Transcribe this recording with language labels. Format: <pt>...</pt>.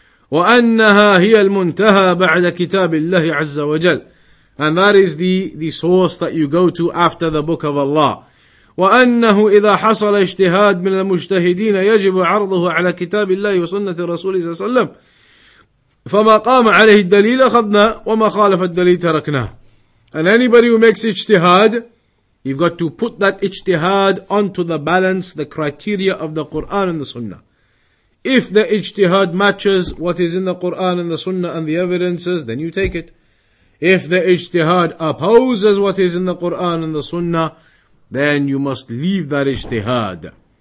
<ar>وأنها هي المنتهى بعد كتاب الله عز وجل.</ar> <en>And that is the source that you go to after the book of Allah.</en> <ar>وأنه إذا حصل اجتهاد من المجتهدين يجب عرضه على كتاب الله وسنة الرسول صلى الله عليه وسلم. فما قام عليه الدليل أخذنا وما خالف الدليل تركنا.</ar> <en>And anybody who makes اجتهاد, you've got to put that اجتهاد onto the balance, the criteria of the Quran and the Sunnah. If the ijtihad matches what is in the Qur'an and the Sunnah and the evidences, then you take it. If the ijtihad opposes what is in the Qur'an and the Sunnah, then you must leave that ijtihad.</en>